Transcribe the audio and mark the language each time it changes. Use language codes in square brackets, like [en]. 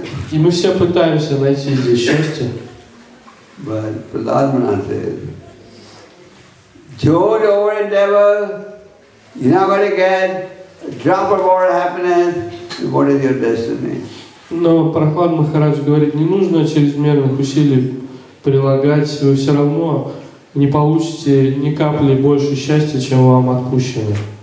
[ru] И мы все пытаемся найти здесь счастье. [en] But Prahlad Maharaj said, don't over endeavor, you're not going to get a drop of our happiness, what is your destiny? [ru] Но Прахлад Махарадж говорит, не нужно чрезмерных усилий прилагать, вы все равно не получите ни капли больше счастья, чем вам отпущено.